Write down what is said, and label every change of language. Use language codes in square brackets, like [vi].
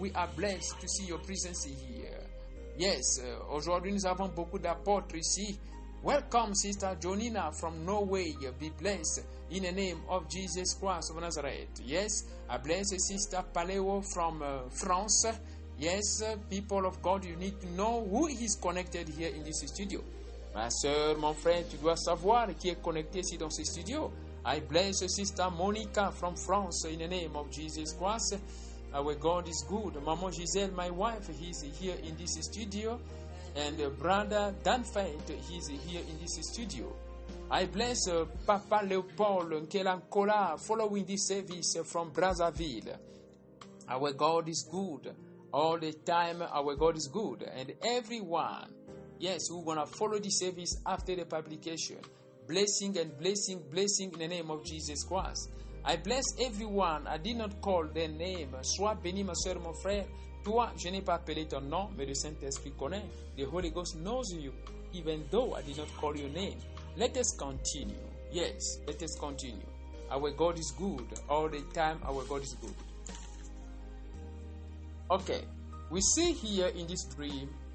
[en] We are blessed to see your presence here. Yes, aujourd'hui nous avons beaucoup d'apôtres ici. Welcome, Sister Jonina from Norway. Be blessed in the name of Jesus Christ of Nazareth. Yes, I bless Sister Paleo from France. Yes, people of God, you need to know who is connected here in this studio. [fr] Ma soeur, mon frère, tu dois savoir qui est connecté ici dans ce studio. [en] I bless Sister Monica from France in the name of Jesus Christ. Our God is good. Maman Giselle, my wife, is here in this studio. And brother Danfait, he's here in this studio. I bless Papa Leopold Nkelankola following this service from Brazzaville. Our God is good. All the time, our God is good. And everyone, yes, who gonna follow this service after the publication. Blessing and blessing, blessing in the name of Jesus Christ. I bless everyone. I did not call their name. [fr] Sois béni, ma soeur, mon frère. Toi, je n'ai pas appelé ton nom, mais le Saint-Esprit connaît. [en] The Holy Ghost knows you, even though I did not call your name. Let us continue. Yes, let us continue. Our God is good. All the time, our God is good. Okay, we see here in this dream.